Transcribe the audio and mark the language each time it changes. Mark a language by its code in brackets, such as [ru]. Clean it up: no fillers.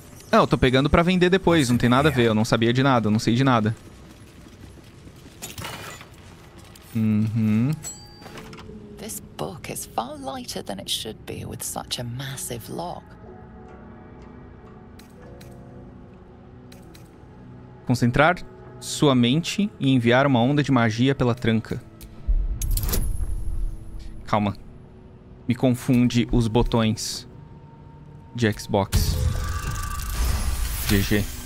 [pt] não, eu tô pegando pra vender depois, não tem nada a ver, eu não sabia de nada, eu não sei de nada. [en] This book is far lighter than it should be with such a massive lock. [pt] Concentrar sua mente e enviar uma onda de magia pela tranca. Calma. Me confunde os botões de Xbox. GG.